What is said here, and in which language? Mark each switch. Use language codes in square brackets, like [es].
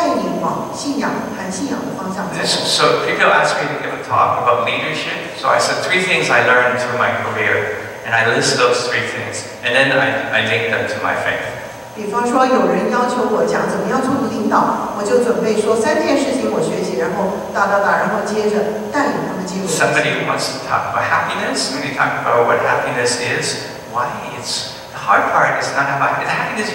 [zh] 也就是说，你的题目是一个很普遍、大家有兴趣的题目，而你可以借着这个题目带你往信仰、谈信仰的方向走。 [en] So people ask me to give a talk about leadership. So I said three things I learned through my career, and I list those three things, and then I link them to my faith. [zh] 比方说，有人要求我讲怎么样做领导，我就准备说三件事情我学习，然后哒哒哒，然后接着带领他们进入。 [en] Somebody wants to talk about happiness. Maybe talk about what happiness is. Why it's the hard part is not about happiness.